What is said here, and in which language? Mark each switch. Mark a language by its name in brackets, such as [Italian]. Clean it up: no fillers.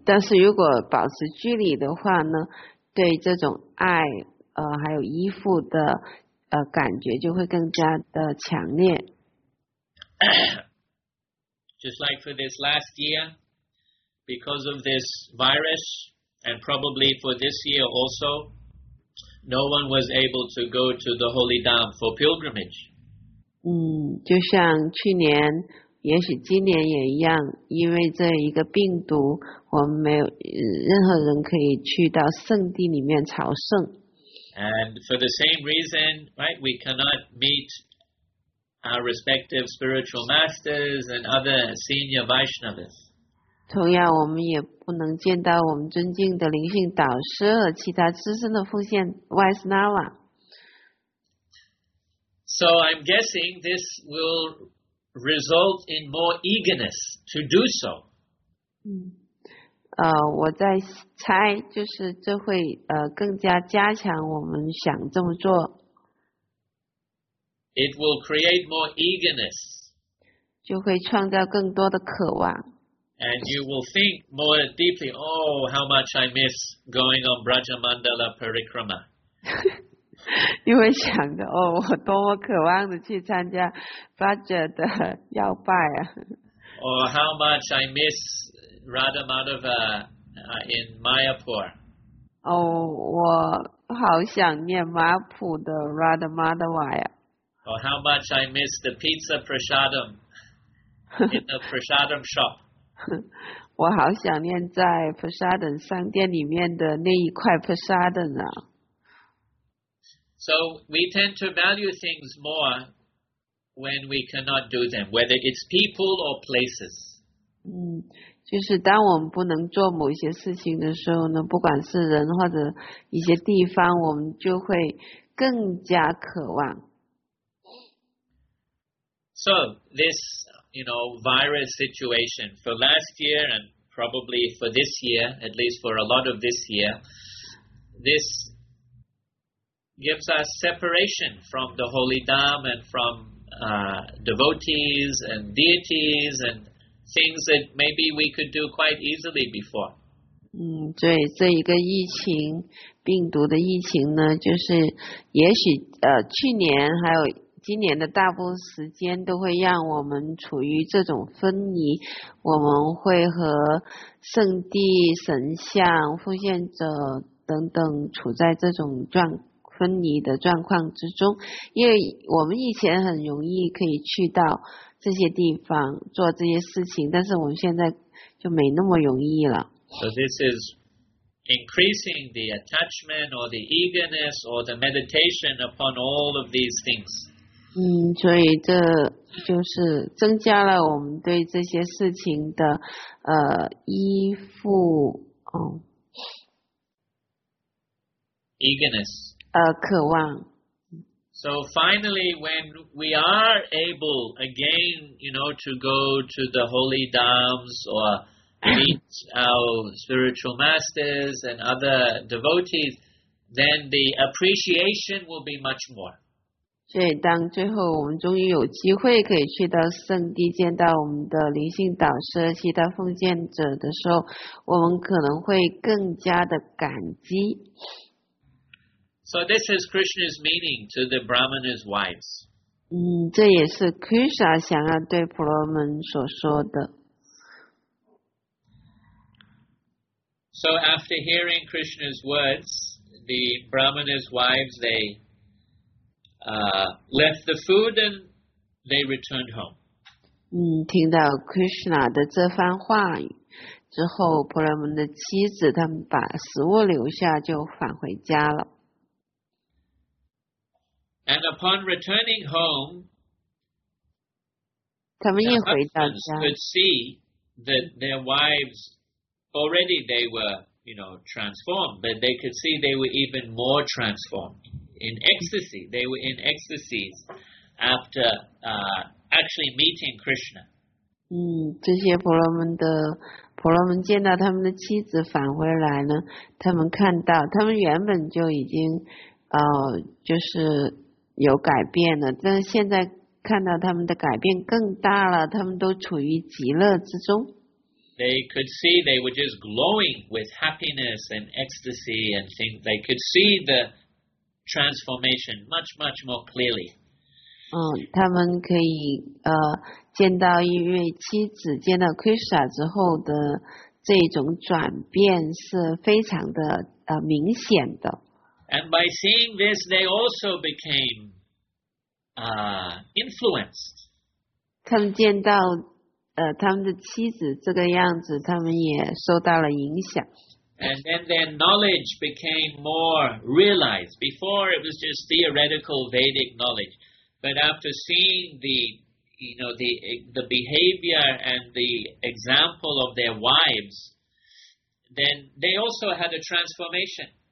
[Chinese] 但是如果保持距离的话呢，对这种爱还有依附的感觉就会更加的强烈。 [English] Just like for this last year, because of this virus, and probably for this year also, no one was able to go to the Holy Dham for pilgrimage. [Chinese] 就像去年。也许今年也一样，因为这一个病毒，我们没有任何人可以去到圣地里面朝圣。 [English] And for the same reason, right, we cannot meet our respective spiritual masters and other senior Vaishnavas. [Chinese] 同样，我们也不能见到我们尊敬的灵性导师和其他资深的奉献 Vaishnava. [English] So I'm guessing this will result in more eagerness to do so. [Chinese] 我在猜，就是这会更加加强我们想这么做。 [English] It will create more eagerness. [Chinese] 就会创造更多的渴望。 [English] And you will think more deeply. Oh, how much I miss going on Brajamandala Parikrama. [Chinese] 因为想着哦，我多么渴望的去参加 Vajra 的要拜啊 [English] ！Or how much I miss Radha Madhava in Mayapur. [Chinese] 我好想念马普的 Radha Madhava 呀 [English] ！Or how much I miss the pizza prasadam in the prasadam shop. [Chinese] 我好想念在 prasadam 商店里面的那一块 prasadam 啊！ [English] So we tend to value things more when we cannot do them, whether it's people or places. [Chinese] 就是当我们不能做某一些事情的时候呢，不管是人或者一些地方，我们就会更加渴望。 [English] So this, you know, virus situation for last year and probably for this year, at least for a lot of this year, this gives us separation from the holy Dham and from devotees and deities and things that maybe we could do quite easily before. [Chinese] 对，这一个疫情，病毒的疫情呢，就是也许去年还有今年的大部分时间都会让我们处于这种分离，我们会和圣地、神像、奉献者等等处在这种状况。分离的状况之中，因为我们以前很容易可以去到这些地方做这些事情，但是我们现在就没那么容易了。 [English] So this is increasing the attachment or the eagerness or the meditation upon all of these things. [Chinese] 所以这就是增加了我们对这些事情的依附， [English] Eagerness. [Chinese] 渴望。 [English] So finally, when we are able again, you know, to go to the holy dhams or meet our spiritual masters and other devotees, then the appreciation will be much more. [Chinese] 所以当最后我们终于有机会可以去到圣地见到我们的灵性导师、其他奉献者的时候，我们可能会更加的感激。 [English] So this is Krishna's meaning to the Brahmana's wives. [Chinese] 这也是 Krishna 想要对婆罗门所说的。 [English] So after hearing Krishna's words, the Brahmana's wives, they left the food and they returned home. [Chinese] 听到 Krishna 的这番话语之后，婆罗门的妻子他们把食物留下就返回家了。 [English] And upon returning home, [Chinese] 他们一回到家 [English] the husbands could see that their wives, already they were, you know, transformed, but they could see they were even more transformed in ecstasy. They were in ecstasies after actually meeting Krishna. [Chinese] 这些婆罗门见到他们的妻子返回来呢，他们看到他们原本就已经就是有改变了，但现在看到他们的改变更大了，他们都处于极乐之中。 [English] They could see they were just glowing with happiness and ecstasy and things. They could see the transformation much, much more clearly. [Chinese] 他们可以见到因为妻子见到 Krishna 之后的这种转变是非常的明显的。 [English] And by seeing this, they also became influenced. [Chinese] 他们见到他们的妻子这个样子，他们也受到了影响。 [English] And then their knowledge became more realized. Before it was just theoretical Vedic knowledge, but after seeing the, you know, the behavior and the example of their wives, then they also had a transformation.